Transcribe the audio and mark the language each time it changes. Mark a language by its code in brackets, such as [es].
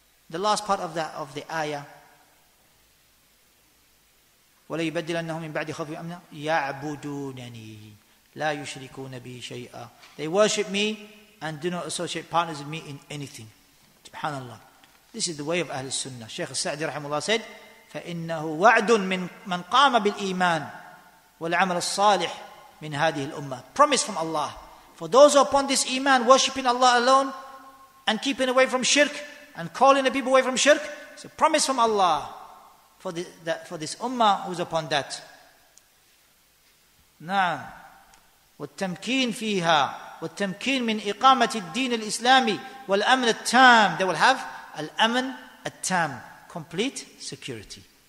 [en] The last part of the ayah. [ar] وَلَا يُبَدِّلَنَّهُمْ مِنْ بَعْدِ خَوْفِهِمْ أَمْنًا يَعْبُدُونَنِي لَا يُشْرِكُونَ بِي شَيْئًا. [en] They worship me and do not associate partners with me in anything. Subhanallah. This is the way of Ahlul Sunnah. Shaykh Al-Sa'di rahimahullah said, [ar] فَإِنَّهُ وَعْدٌ مِنْ مَنْ قَامَ بِالْإِيمَانِ وَالْعَمَلَ الصَّالِحِ مِنْ هَذِهِ الْأُمَّةِ. [en] Promise from Allah. For those who upon this iman, worshipping Allah alone, and keeping away from shirk, and calling the people away from shirk, it's a promise from Allah for this ummah who's upon that. [ar] نعم. والتمكين فيها والتمكين من إقامة الدين الإسلامي والأمن التام. [en] They will have الأمن التام. Complete security.